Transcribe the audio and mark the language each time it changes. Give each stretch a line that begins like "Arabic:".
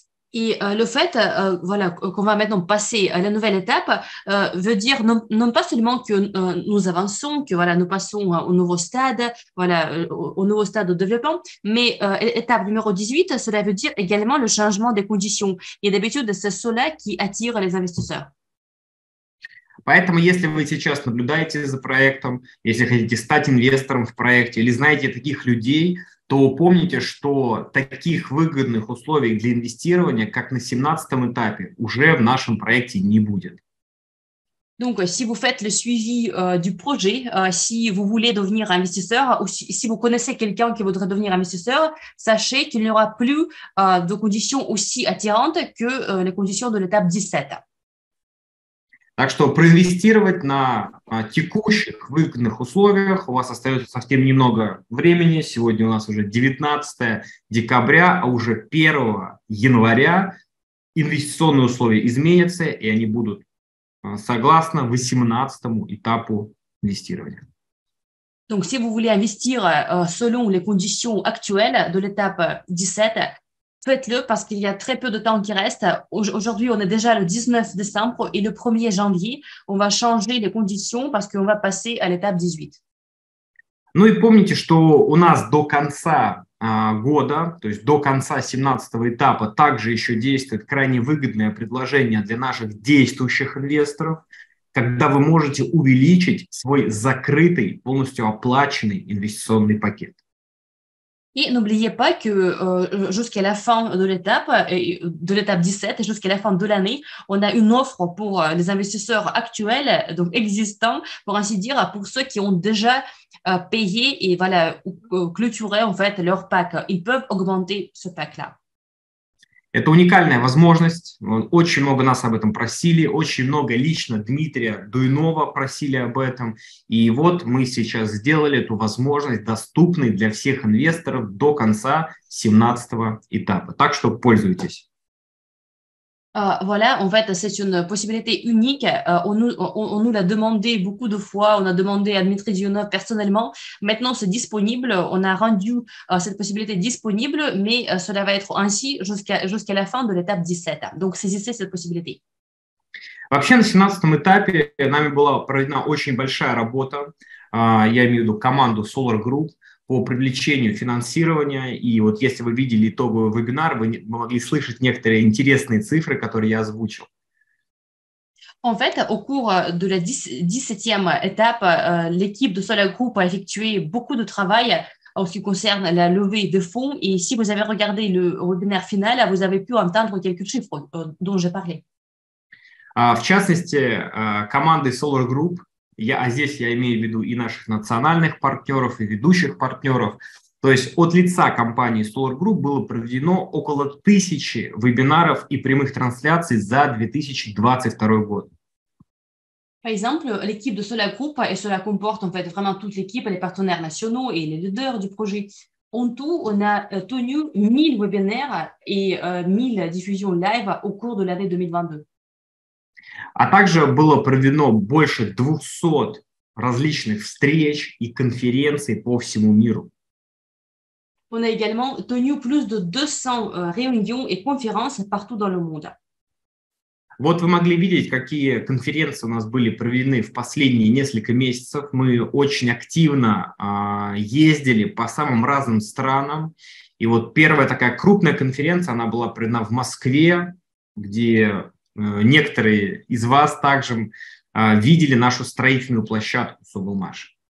French: Et le fait voilà, qu'on va maintenant passer à la nouvelle étape veut dire non pas seulement que nous avançons, que voilà, nous passons au nouveau stade, voilà, au nouveau stade de développement, mais étape numéro 18, cela veut dire également le changement des conditions. Et d'habitude, c'est cela qui attire les investisseurs.
Russian: Поэтому, если вы сейчас наблюдаете за проектом, если хотите стать инвестором в проекте или знаете таких людей, то помните, что таких выгодных условий для инвестирования, как на 17-м этапе, уже в нашем проекте не будет.
French: Donc, si vous faites le suivi du projet, si vous voulez devenir investisseur, ou si vous connaissez quelqu'un qui voudrait devenir investisseur, sachez qu'il n'y aura plus de conditions aussi attirantes que les conditions de l'étape 17.
Russian: Так что проинвестировать на текущих выгодных условиях у вас остается совсем немного времени. Сегодня у нас уже 19 декабря, а уже 1 января инвестиционные условия изменятся, и они будут согласно 18-му этапу инвестирования.
French: Donc, si vous voulez investir selon les conditions actuelles de l'étape 17, faites-le parce qu'il y a très peu de temps qui reste. Aujourd'hui, on est déjà le 19 décembre et le 1er janvier, on va changer les conditions parce qu'on va passer à l'étape 18.
Russian: Ну и помните, что у нас до конца года, то есть до конца 17-го этапа, также еще действует крайне выгодное предложение для наших действующих инвесторов, когда вы можете увеличить свой закрытый, полностью оплаченный инвестиционный пакет.
French: И n'oubliez pas que jusqu'à la fin de l'étape 17, jusqu'à la fin de l'année, on a une offre pour les investisseurs actuels, donc existants, pour ainsi dire, pour ceux qui ont déjà payé et voilà, clôturé en fait, leur pack. Ils peuvent augmenter ce pack-là.
Russian: Это уникальная возможность. Очень много нас об этом просили, очень много лично Дмитрия Дуйнова просили об этом. И вот мы сейчас сделали эту возможность доступной для всех инвесторов до конца 17-го этапа. Так что пользуйтесь.
French: Voilà, en fait, c'est une possibilité unique. On nous l'a demandé beaucoup de fois. On a demandé à Dmitri Dionov personnellement. Maintenant, c'est disponible. On a rendu cette possibilité disponible, mais cela va être ainsi jusqu'à la fin de l'étape 17. Donc, saisissez cette possibilité.
Russian: Вообще, на 17-м этапе нами была проведена очень большая работа. Я имею в виду команду Solar Group по привлечению финансирования. И вот если вы видели итоговый вебинар, вы могли слышать некоторые интересные цифры, которые я озвучил.
French: En fait, au cours de la 17e étape, l'équipe de Solar Group a effectué beaucoup de travail en ce qui concerne la levée de fonds. Et si vous avez regardé le webinaire final, vous avez pu entendre quelques chiffres dont j'ai parlé.
Russian: В частности, команды Solar Group, а здесь я имею в виду и наших национальных партнеров, и ведущих партнеров, то есть от лица компании Solar Group было проведено около 1000 вебинаров и прямых трансляций за 2022 год.
French: Par exemple, l'équipe de Solar Group, et cela comporte en fait vraiment toute l'équipe, les partenaires nationaux et les leaders du projet. En tout, on a tenu 1000 webinaires et 1000 diffusions live au cours de l'année 2022.
Russian: А также было проведено больше 200 различных встреч и конференций по всему миру.
French: On a également tenu plus de 200 réunions et conférences partout dans le monde.
Russian: Вот вы могли видеть, какие конференции у нас были проведены в последние несколько месяцев. Мы очень активно ездили по самым разным странам. И вот первая такая крупная конференция, она была проведена в Москве, где некоторые из вас также видели нашу строительную площадку «Соблмаш».